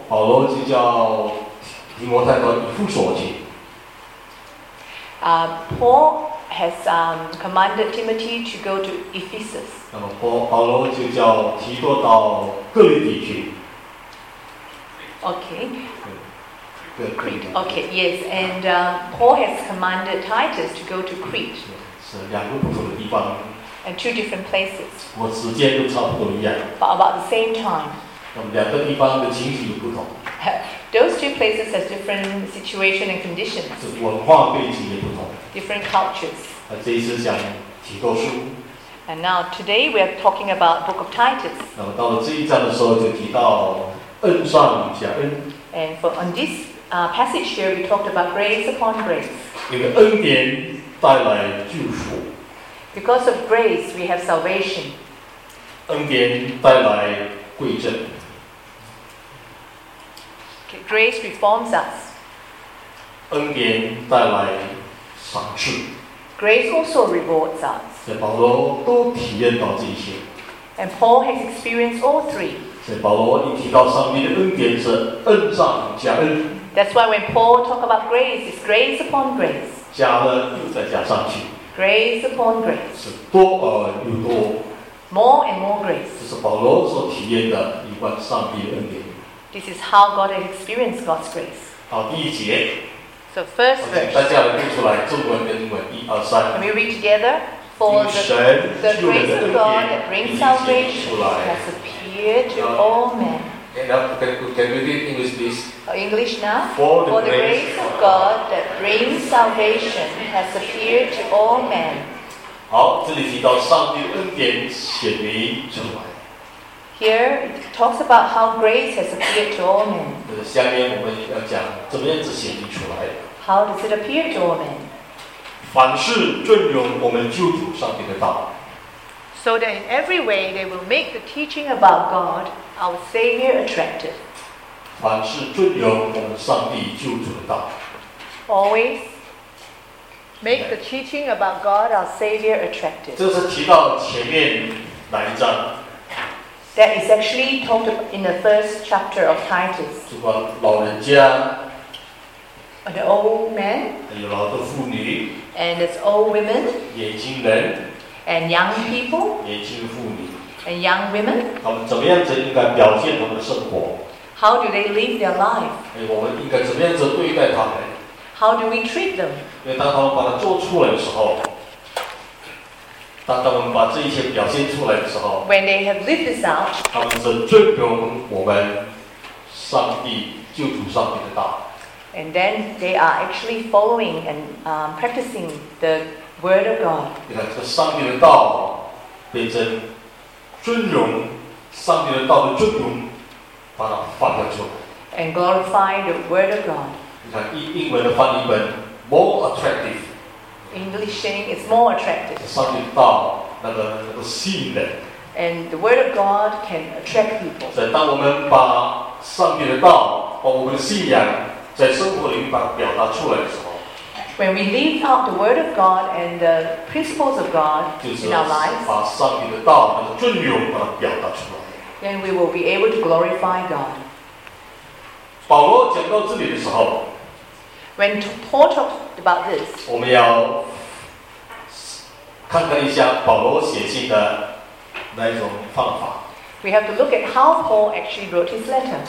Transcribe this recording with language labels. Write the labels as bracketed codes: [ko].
[zh] 保罗就叫提摩太的副手去。 [en] Paul has commanded Timothy to go to Ephesus. [zh] 那么保罗就叫提多到哥林底去。 [en] Okay. Crete. Okay. Yes. And Paul has commanded Titus to go to Crete. [zh] 是两个不同的地方。 [en] And two different places. [zh] 我时间都差不多一样。 [en] But about the same time. [zh] 那么两个地方的情形不同。 [en] Those two places have different situation and conditions. [zh] 文化背景也不同。 [en] Different cultures. [zh] 这一次讲提多书。 [en] And now today we are talking about Book of Titus. [zh] 那么到了这一章的时候，就提到恩上加恩。 [en] And for on this passage here, we talked about grace upon grace. [zh] 因为恩典带来救赎。 [en] Because of grace, we have salvation. [zh] 恩典带来贵正。 [en] Grace reforms us. [zh] 恩典带来赏赐。 [en] Grace also rewards us. [zh] 所以保罗都体验到这些。 [en] And Paul has experienced all three. [zh] 所以保罗一提到上帝的恩典是恩上加恩。 [en] That's why when Paul talk about grace, it's grace upon grace. [zh] 加了又再加上去。 [en] Grace upon grace. [zh] 是多而又多。 [en] More and more grace. [zh] 这是保罗所体验的一关上帝的恩典。 [en] This is how God has experienced God's grace. [zh] 好，第一节。 [en] So first verse. [zh] 大家来读出来，中文跟英文，一二三。 [en] Can we read together? For the grace of God that brings salvation has appeared to all men. Can we read English, please? English now. For the grace of God that brings salvation has appeared to all men. [zh] 好，这里提到上帝恩典显明出来。 [en] Here it talks about how grace has appeared to all men. [zh] 下面我们要讲怎么样子显明出来。 [en] How does it appear to all men? [zh] 凡事遵循我们救主上帝的道。 [en] So that in every way they will make the teaching about God, our Savior, attractive. [zh] 凡事遵由我们上帝救主的道。 [en] Always make the teaching about God, our Savior, attractive. [zh] 这是提到前面哪一章？ [en] That is actually talked about in the first chapter of Titus. [zh] 主啊，老人家。 [en] The old man. [zh] 有老的妇女。 [en] And it's old women. [zh] 年轻人。 [en] And young people. [zh] 年轻妇女。 [en] And young women. [zh] 他们怎么样子应该表现他们的生活？ [en] How do they live their life? [zh] 我们应该怎么样子对待他们 [en] ？How do we treat them? [zh] 因为当他们把它做出来的时候。当他们把这一些表现出来的时候 [en] When they have lived this out, [zh] 他们是遵循我们上帝救主上帝的道 [en] And then they are actually following and practicing the word of God. [zh] 你看这上帝的道变成尊荣上帝的道的尊荣把它发表出来 [en] And glorify the word of God. [zh] 你看英文的翻译本 [en] more attractive English saying is more attractive. [zh] 上帝道那个吸引人。 [en] And the word of God can attract people. [zh] 所以当我们把上帝的道，把我们的信仰在生活里把它表达出来的时候 [en] ，When we live out the word of God and the principles of God in our lives, [zh] 把上帝的道那个尊荣把它表达出来。 [en] Then we will be able to glorify God. [zh] 保罗讲到这里的时候。 [en] When Paul talked about this, [zh] 我们要看看一下保罗写信的那一种方法。 [en] We have to look at how Paul actually wrote his letter.